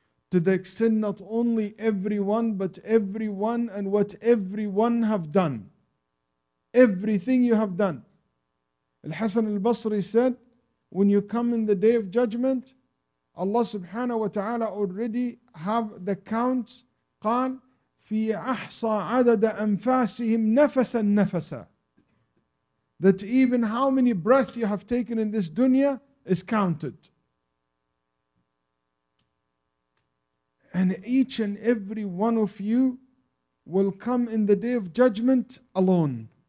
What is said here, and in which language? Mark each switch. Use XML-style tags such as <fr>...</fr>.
<en>To the extent not only everyone, but everyone and what everyone have done. Everything you have done. Al-Hasan al-Basri said, when you come in the day of judgment, Allah subhanahu wa ta'ala already have the counts.</en> <ar>قال في أحصى عدد أنفاسهم نفسا نفسا.</ar> <en>That even how many breaths you have taken in this dunya is counted. And each and every one of you will come in the day of judgment alone.</en>